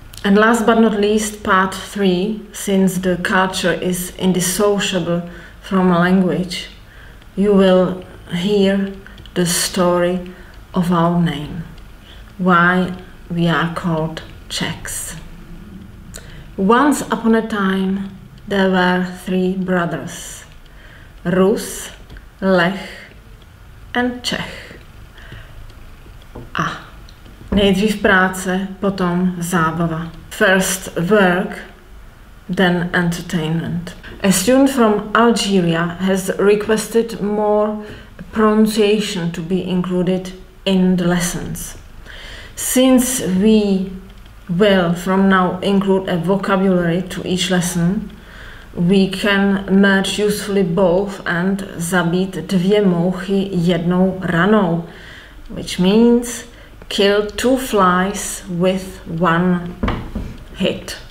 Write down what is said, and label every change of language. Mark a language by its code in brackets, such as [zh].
[en] And last but not least, part 3, since the culture is indissociable from a language, you will hear the story of our name, why we are called Czechs. Once upon a time, there were three brothers, Rus, Lech and Czech. [cs] A nejdřív práce, potom zábava. [en] First work, then entertainment. A student from Algeria has requested more pronunciation to be included in the lessons. Since we will from now include a vocabulary to each lesson, we can merge usefully both and [cs] zabít dvě mouchy jednou ranou, [en] which means kill two flies with one hit.